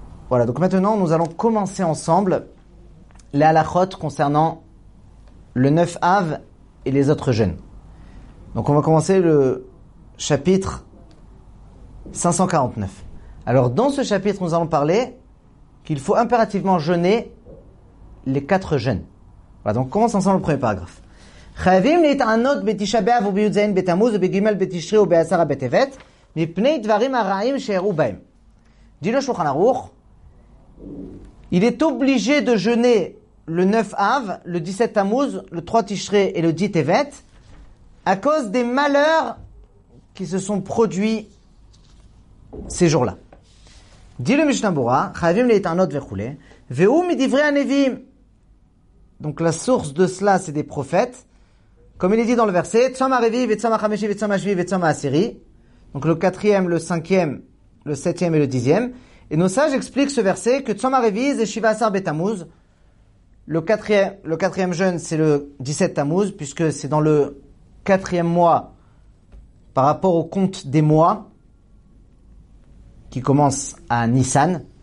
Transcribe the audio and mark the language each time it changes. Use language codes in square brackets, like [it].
[fr] Voilà, donc maintenant, nous allons commencer ensemble les halakhot concernant le 9 Av et les autres jeûnes. Donc on va commencer le chapitre 549. Alors dans ce chapitre, nous allons parler qu'il faut impérativement jeûner les 4 jeûnes. Voilà, donc on commence ensemble le premier paragraphe. [he] חייבים להתענות בתשעה באב ובי"ז בתמוז ובגימל בתשרי ובעשרה בטבת מפני דברים הרעים שאירעו בהם. דין השולחן ערוך, [fr] il est obligé de jeûner le 9 av, le 17 tamuz, le 3 tishrei et le 10 tevet à cause des malheurs qui se sont produits ces jours-là. [he] דין le Mishnah Berurah, חייבים להתענות וכולי, והוא מדברי הנביאים. [fr] Donc la source de cela, c'est des prophètes. Comme il est dit dans le verset, [he] Tsama Reviv, Tsama Khameshiv, Tsama Shviv, Tsama Asiri. [fr] Donc le quatrième, le cinquième, le septième et le dixième. Et nos sages expliquent ce verset que [he] Tsama Reviv, Shiva Asar Betamuz. [fr] Le quatrième jeûne, c'est le 17 Tamuz, puisque c'est dans le quatrième mois par rapport au compte des mois qui commence à Nissan.